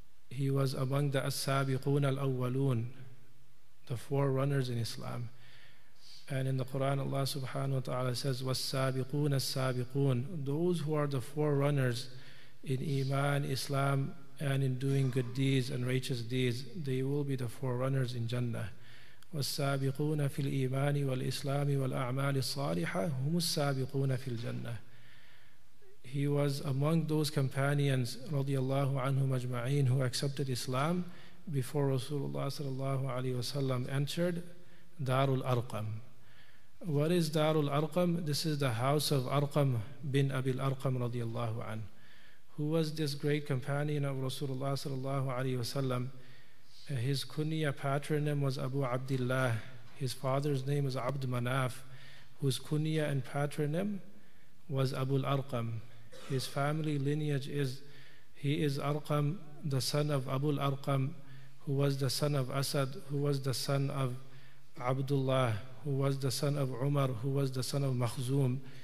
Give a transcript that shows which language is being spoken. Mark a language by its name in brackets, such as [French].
[English] He was among the as-sabiqoon al-awwaloon, the forerunners in Islam. And in the Quran, Allah subhanahu wa ta'ala says, was-sabiqoon as-sabiqoon, those who are the forerunners in iman, Islam, and in doing good deeds and righteous deeds, they will be the forerunners in Jannah. [Arabic] والسابقون في الإيمان والإسلام والأعمال الصالحة هم السابقون في الجنة. [English] He was among those companions [Arabic] رضي الله عنهم أجمعين [English] who accepted Islam before Rasulullah [Arabic] صلى الله عليه وسلم [English] entered دار الأرقم. What is دار الأرقم? This is the house of أرقم بن أبي الأرقم [Arabic] رضي الله عنه. [English] Who was this great companion of Rasulullah [Arabic] صلى الله عليه وسلم? [English] His kunya patronym was Abu Abdullah. His father's name was Abd Manaf, whose kunya and patronym was Abu al-Arqam. His family lineage is, he is Arqam, the son of Abu al-Arqam, who was the son of Asad, who was the son of Abdullah, who was the son of Umar, who was the son of Makhzum.